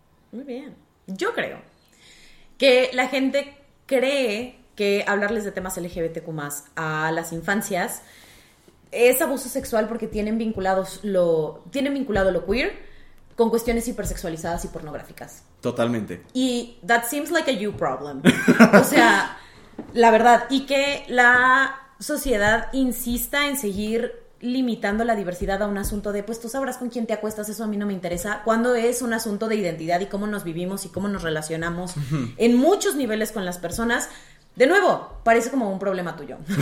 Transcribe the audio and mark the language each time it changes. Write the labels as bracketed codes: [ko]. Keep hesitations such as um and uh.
[es] Muy bien. Yo creo que la gente cree que hablarles de temas LGBTQ más a las infancias es abuso sexual porque tienen vinculados lo tienen vinculado lo queer con cuestiones hipersexualizadas y pornográficas. Totalmente. [en] Y that seems like a you problem. [es] O sea, la verdad. Y que la sociedad insista en seguir limitando la diversidad a un asunto de, pues tú sabrás con quién te acuestas, eso a mí no me interesa, cuando es un asunto de identidad y cómo nos vivimos y cómo nos relacionamos en muchos niveles con las personas. De nuevo, parece como un problema tuyo.